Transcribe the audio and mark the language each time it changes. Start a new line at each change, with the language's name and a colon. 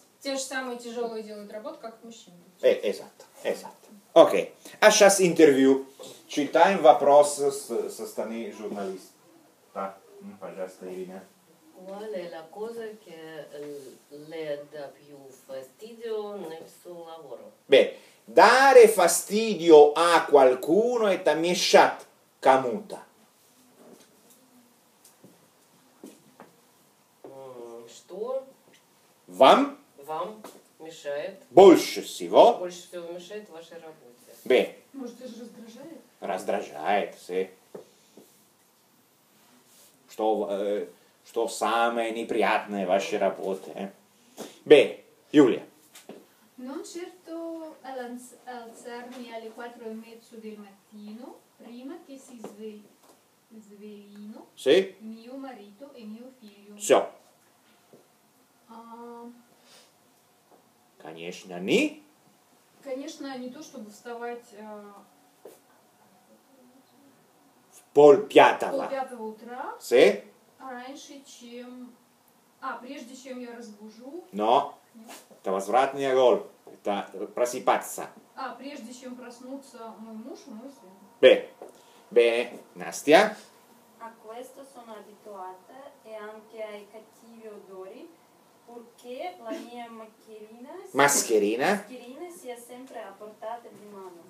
Russian: Те же самые тяжелые делают работу, как мужчины.
Italian: Esatto, esatto.
Russian: Ok, a шас интервью. Читаем вопрос со стороны журналиста. Да, пожалуйста, Ирина.
Italian: Qual è la cosa che le dà più fastidio nel suo lavoro? Beh, dare fastidio a qualcuno è
Russian: tamieshat kamuta. Что? Вам? Вам мешает? Больше всего? Больше всего мешает вашей работе. Beh. Может, даже раздражает? Раздражает, sì. Что... Что самое неприятное в вашей работе? Б. Юлия.
Italian: Non certo alzarmi alle 4:30 del mattino prima che si sveglino. Sì. Mio marito e mio figlio.
Russian: Все. Конечно, не. Конечно, не то чтобы вставать в полпятого. Полпятого утра.
Italian: Sì.
Russian: Раньше, чем... прежде чем я разбужу... Но! Нет. Это возвратный гол. Это просыпаться. Прежде чем проснуться мой муж и мой сын. Настя?
Italian: A questo sono abituata e anche ai cattivi odori, perché la mia mascherina... Mascherina? Mascherina sia sempre a portata di mano.